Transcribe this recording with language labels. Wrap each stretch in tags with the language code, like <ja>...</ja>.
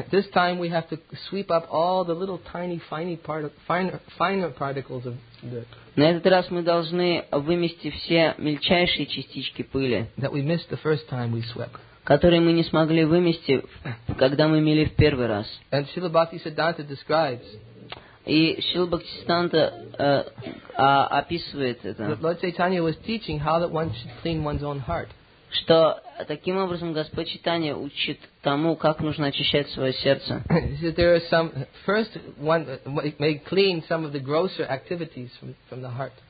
<en>This time we have to sweep up all the little tiny, finer particles of dirt.</en> <ru>На этот раз мы должны вымести все мельчайшие частички пыли,</ru> <en>that we missed the first time we swept,</en> <ru>которые мы не смогли вымести, когда мы мели в первый раз.</ru> <en>And Śrīla Bhaktisiddhānta describes.</en> <ru>И Śrīla Bhaktisiddhānta описывает это.</ru> <en>Lord Chaitanya was teaching how that one should clean one's own heart.</en> <ru>Что таким образом Господь Читания учит тому, как нужно очищать свое сердце.</ru> <en>There are some first one may clean some of the grosser activities from the heart.</en>